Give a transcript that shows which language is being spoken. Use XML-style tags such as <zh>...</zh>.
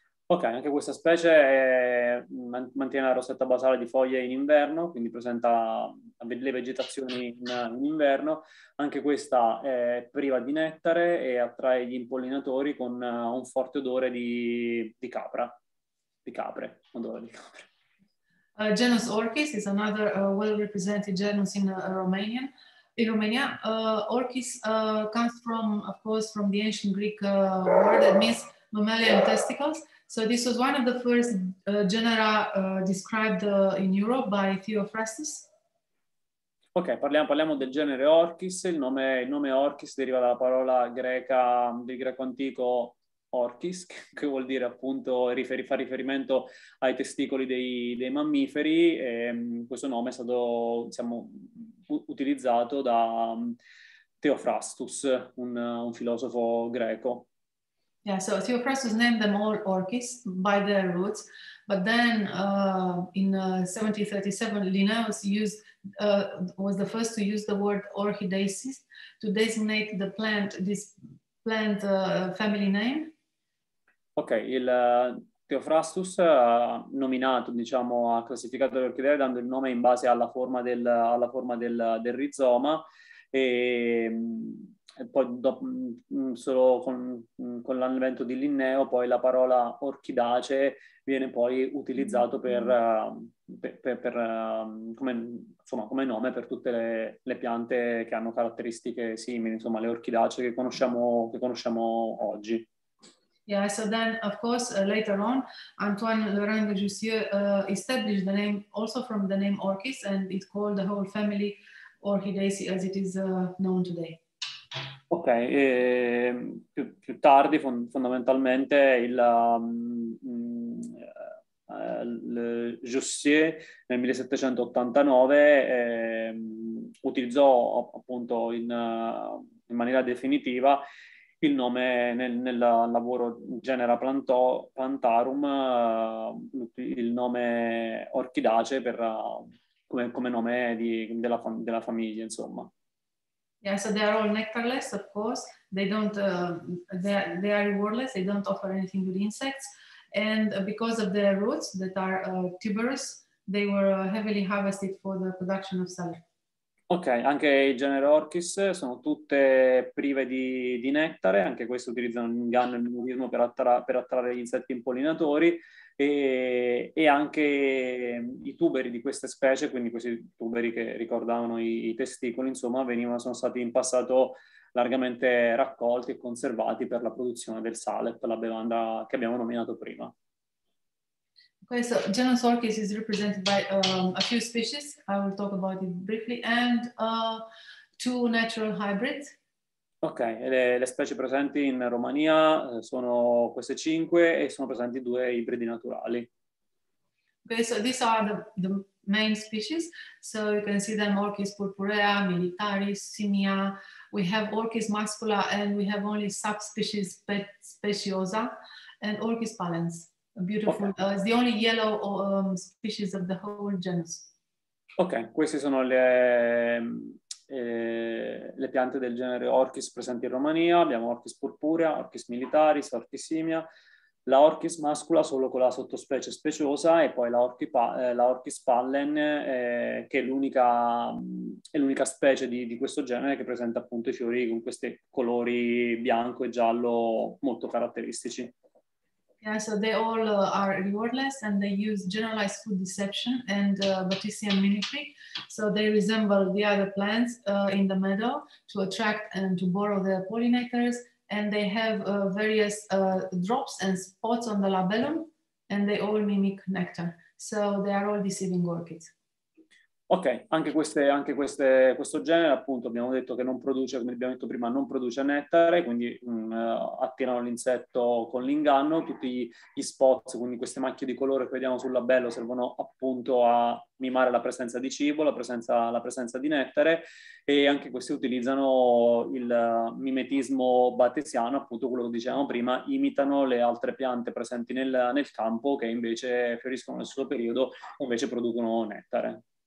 <it>Ok, anche questa specie mantiene la rosetta basale di foglie in inverno, quindi presenta le vegetazioni in inverno. Anche questa è priva di nettare e attrae gli impollinatori con un forte odore di capra, di capre, odore di capre.</it> <en>Genus Orchis is another well-represented genus in Romania. Orchis comes from, of course, from the ancient Greek word that means mammalian testicles. So this was one of the first genera described in Europe by Theophrastus.</en> <it>Ok, parliamo del genere Orchis. Il nome Orchis deriva dalla parola greca, del greco antico Orchis, che vuol dire appunto, fa riferimento ai testicoli dei mammiferi. E questo nome è stato utilizzato da Theophrastus, un filosofo greco.</it> <en>Yeah, so Theophrastus named them all Orchis by their roots, but then in 1737, Linnaeus was the first to use the word Orchidaceae to designate the plant, this plant family name.</en> <it>Okay, Theophrastus ha classificato le orchidee dando il nome in base alla forma del rizoma, e poi solo con l'avvento di Linneo poi la parola orchidace viene poi utilizzato come nome per tutte le piante che hanno caratteristiche simili, insomma le orchidacee che conosciamo oggi.</it> <en>Yeah, so then of course later on Antoine Laurent de Jussieu established the name also from the name Orchis, and it called the whole family Orchidaceae as it is known today.</en> <it>Ok, più tardi fondamentalmente il Jussieu nel 1789 utilizzò appunto in maniera definitiva il nome nel lavoro Genera Plantarum, il nome Orchidace come nome della famiglia, insomma.</it> <en>Yeah, so they are all nectarless, of course. They don't, they are rewardless. They don't offer anything to the insects. And because of their roots that are tuberous, they were heavily harvested for the production of sulfur.</en> <it>Ok, anche il genere Orchis sono tutte prive di nettare, anche questo utilizzano l'inganno e il mimetismo per attrarre gli insetti impollinatori, e anche i tuberi di queste specie, quindi questi tuberi che ricordavano i testicoli, insomma, sono stati in passato largamente raccolti e conservati per la produzione del sale, per la bevanda che abbiamo nominato prima.</it> <en>Okay, so genus Orchis is represented by a few species. I will talk about it briefly. And two natural hybrids.</en> <it>Ok, le specie presenti in Romania sono queste cinque e sono presenti due ibridi naturali.</it> <en>Ok, so these are the main species. So you can see them, Orchis purpurea, militaris, simia. We have Orchis mascula and we have only subspecies speciosa and Orchis pallens. Beautiful, okay. It's the only yellow species of the whole genus.</en> <it>Ok, queste sono le piante del genere Orchis presenti in Romania. Abbiamo Orchis purpurea, Orchis militaris, Orchis simia, la Orchis mascula solo con la sottospecie speciosa e poi la Orchis pallen che è l'unica specie di questo genere che presenta appunto i fiori con questi colori bianco e giallo molto caratteristici.</it> <en>Yeah, so they all are rewardless and they use generalized food deception and Batisian mimicry. So they resemble the other plants in the meadow to attract and to borrow the pollinators. And they have various drops and spots on the labellum and they all mimic nectar. So they are all deceiving orchids.</en> <it>Ok, anche questo genere, appunto, abbiamo detto che non produce, come abbiamo detto prima, non produce nettare, quindi attirano l'insetto con l'inganno. Tutti gli spots, quindi queste macchie di colore che vediamo sul labello, servono appunto a mimare la presenza di cibo, la presenza di nettare, e anche questi utilizzano il mimetismo battesiano, appunto quello che dicevamo prima, imitano le altre piante presenti nel campo che invece fioriscono nel suo periodo e invece producono nettare.</it>